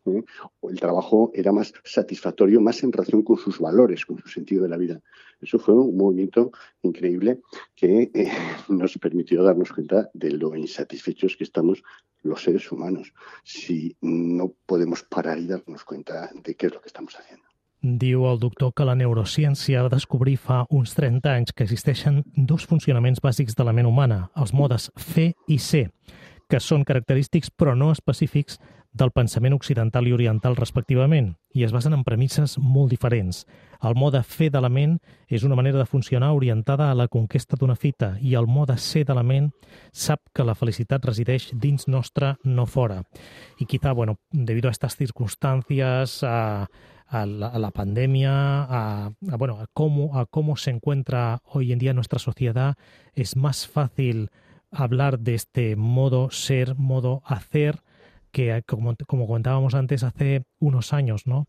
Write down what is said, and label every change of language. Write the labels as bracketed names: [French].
[Spanish] El trabajo era más satisfactorio, más en relación con sus valores, con su sentido de la vida. Eso fue un movimiento increíble que nos permitió darnos cuenta de lo insatisfechos que estamos los seres humanos si no podemos parar y darnos cuenta de qué es lo que estamos haciendo. [Catalan] Diu el doctor que la neurociència va descobrir fa uns 30 anys que existeixen dos funcionaments bàsics de la ment humana, els modes fer i ser, que són característics però no específics del pensament occidental i oriental respectivament, i es basen en premisses molt diferents. El mode fer de la ment és una manera de funcionar orientada a la conquesta d'una fita, i el mode ser de la ment sap que la felicitat resideix dins nostre, no fora. [Spanish] I quizá, bueno, debido a estas circunstancias, a la pandemia, a cómo se encuentra hoy en día nuestra sociedad, es más fácil hablar de este modo ser, modo hacer, que como comentábamos antes, hace unos años, ¿no?